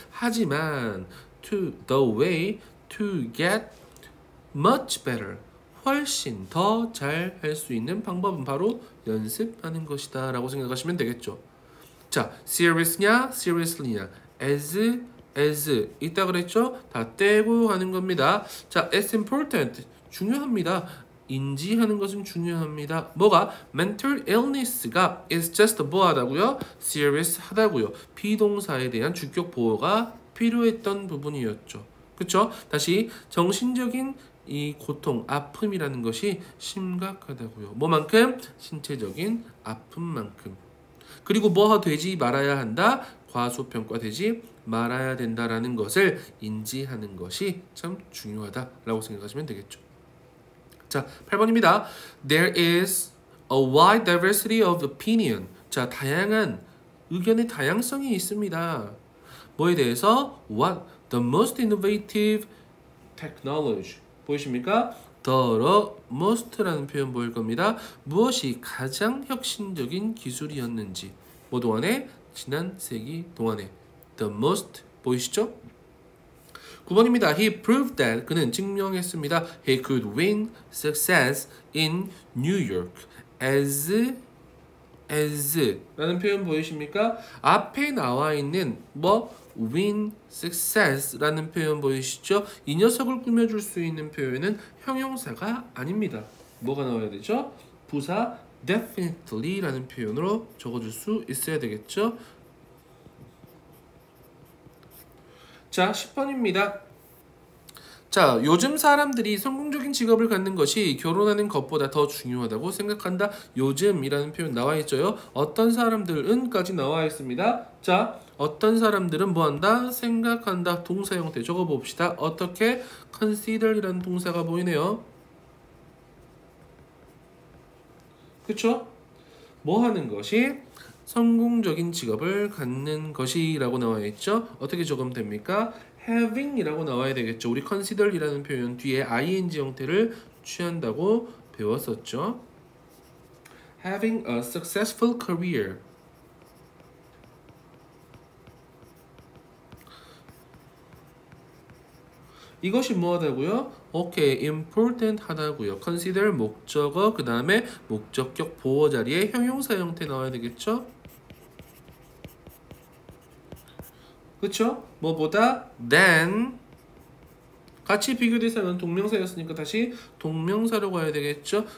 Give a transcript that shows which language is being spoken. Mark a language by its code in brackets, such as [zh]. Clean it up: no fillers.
[ko] 하지만 [en] to the way to get much better [ko] 훨씬 더 잘 할 수 있는 방법은 바로 연습하는 것이다 라고 생각하시면 되겠죠. 자, serious냐 seriously냐 as 있다 그랬죠? 다 떼고 하는 겁니다. 자, [en] it's important [ko] 중요합니다. 인지하는 것은 중요합니다. 뭐가? [en] Mental illness가 is just [ko] 뭐하다고요? Serious 하다고요. 비동사에 대한 주격 보호가 필요했던 부분이었죠. 그렇죠? 다시 정신적인 이 고통, 아픔이라는 것이 심각하다고요. 뭐만큼? 신체적인 아픔만큼. 그리고 뭐가 되지 말아야 한다? 과소평가되지 말아야 된다라는 것을 인지하는 것이 참 중요하다라고 생각하시면 되겠죠. 자, 8번입니다. [en] There is a wide diversity of opinion. [ko] 자, 다양한 의견의 다양성이 있습니다. 뭐에 대해서? [en] What? The most innovative technology. [ko] 보이십니까? The most라는 표현 보일 겁니다. 무엇이 가장 혁신적인 기술이었는지. 뭐 동안에? 지난 세기 동안에. The most 보이시죠? 9번입니다. [en] He proved that. [ko] 그는 증명했습니다. [en] He could win success in New York. [ko] As 라는 표현 보이십니까? 앞에 나와 있는 뭐 win success라는 표현 보이시죠? 이 녀석을 꾸며줄 수 있는 표현은 형용사가 아닙니다. 뭐가 나와야 되죠? 부사 definitely라는 표현으로 적어줄 수 있어야 되겠죠? 자, 10번입니다. 자, 요즘 사람들이 성공적인 직업을 갖는 것이 결혼하는 것보다 더 중요하다고 생각한다. 요즘이라는 표현 나와 있죠. 어떤 사람들은까지 나와 있습니다. 자, 어떤 사람들은 뭐 한다? 생각한다. 동사 형태 적어 봅시다. 어떻게? consider이라는 동사가 보이네요. 그렇죠? 뭐 하는 것이 성공적인 직업을 갖는 것이라고 나와 있죠. 어떻게 적으면 됩니까? having이라고 나와야 되겠죠. 우리 consider이라는 표현 뒤에 ing 형태를 취한다고 배웠었죠. [en] having a successful career. [ko] 이것이 뭐하다고요? [en] Okay, important 하다고요. [ko] consider 목적어, 그 다음에 목적격 보호 자리에 형용사 형태 나와야 되겠죠? 그쵸? 뭐보다 than 같이 비교 대상은 동명사였으니까 다시 동명사로 가야 되겠죠?